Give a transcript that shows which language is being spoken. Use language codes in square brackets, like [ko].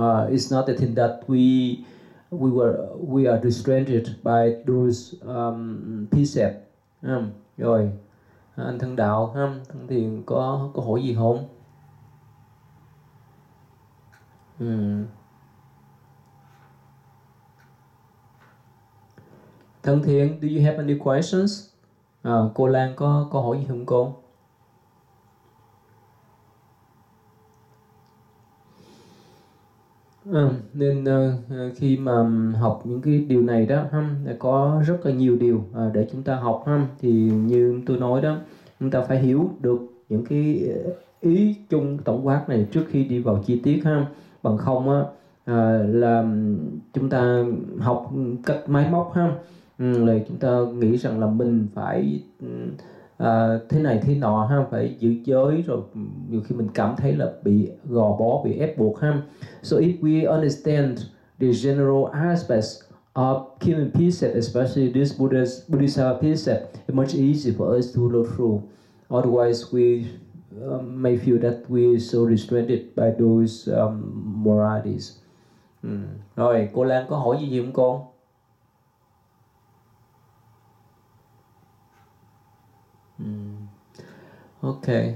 [en] It's not the thing that we are restrained by those precepts. [vi] Rồi anh thân đạo ha, thân thiền có câu hỏi gì không? Thân thiền, [en] do you have any questions? [vi] Cô Lan có câu hỏi gì không cô? Nên khi mà học những cái điều này đó ha, có rất là nhiều điều để chúng ta học ha. Thì như tôi nói đó, chúng ta phải hiểu được những cái ý chung tổng quát này trước khi đi vào chi tiết ha. bằng không á, là chúng ta học cách máy móc ha, là chúng ta nghĩ rằng là mình phải thế này thế nọ ha, phải giữ giới, rồi nhiều khi mình cảm thấy là bị gò bó, bị ép buộc ha. [en] So if we understand the general aspects of keeping precept, especially this Bodhisattva precept, it's much easier for us to look through. Otherwise, we may feel that we are so restrained by those moralities. [vi] Rồi, cô Lan có hỏi gì không cô? Ok.